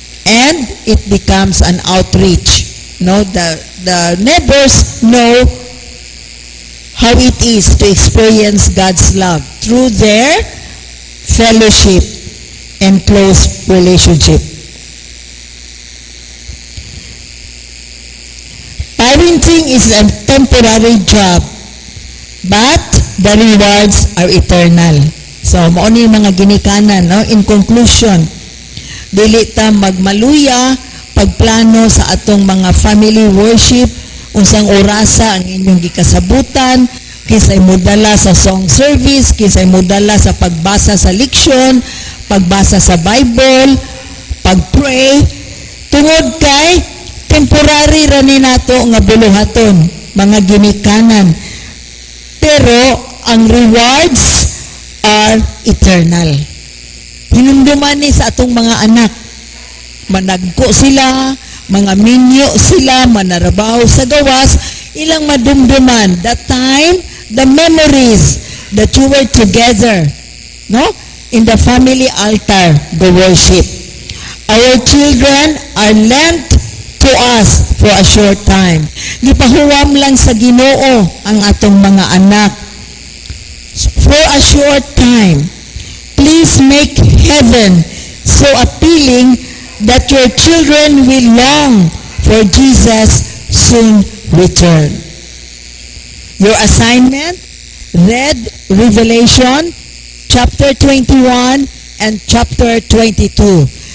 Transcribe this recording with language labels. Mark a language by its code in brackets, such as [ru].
[en] And it becomes an outreach. No, the neighbors know how it is to experience God's love through their fellowship and close relationship. Parenting is a temporary job, but the rewards are eternal. [ceb] So, mauni yung mga ginikanan, no? In conclusion, dili ta magmaluya pagplano sa atong mga family worship, unsang orasa ang inyong gikasabutan, kinsay mudala sa song service, kinsay mudala sa pagbasa sa leksyon, pagbasa sa Bible, pagpray, tungod kay temporary ra ni nato nga buluhaton mga ginikanan, pero ang [en] rewards are eternal. [ceb] Hinumduman ni sa atong mga anak, managko sila, mga minyo sila, manarabaw sa gawas, ilang madumduman [en] the time, the memories that you were together, no, in the family altar, the worship. Our children are lent to us for a short time. [ceb] Gipahuwam lang sa Ginoo ang atong mga anak [en] for a short time. Please make heaven so appealing that your children will long for Jesus' soon return. Your assignment, read Revelation chapter 21 and chapter 22.